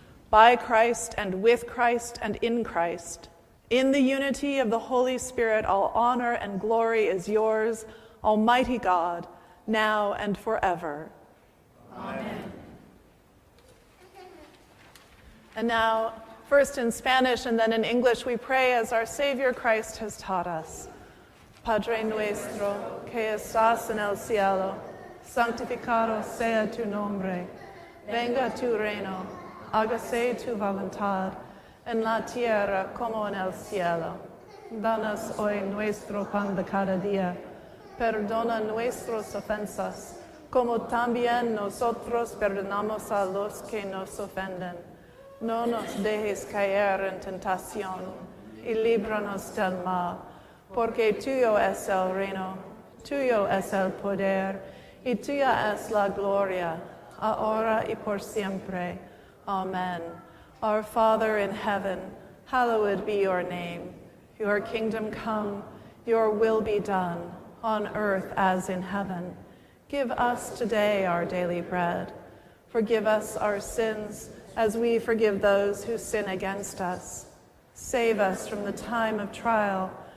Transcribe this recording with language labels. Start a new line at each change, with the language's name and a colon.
English: By Christ, and with Christ, and in Christ, in the unity of the Holy Spirit, all honor and glory is yours, Almighty God, now and forever. Amen. And now, first in Spanish and then in English, we pray as our Savior Christ has taught us.
Spanish: Padre nuestro, que estás en el cielo, santificado sea tu nombre. Venga tu reino, hágase tu voluntad, en la tierra como en el cielo. Danos hoy nuestro pan de cada día. Perdona nuestras ofensas, como también nosotros perdonamos a los que nos ofenden. No nos dejes caer en tentación, y líbranos del mal. Porque tuyo es el reino, tuyo es el poder, y tuya es la gloria, ahora y por siempre. Amen.
English: Our Father in heaven, hallowed be your name. Your kingdom come, your will be done, on earth as in heaven. Give us today our daily bread. Forgive us our sins, as we forgive those who sin against us. Save us from the time of trial,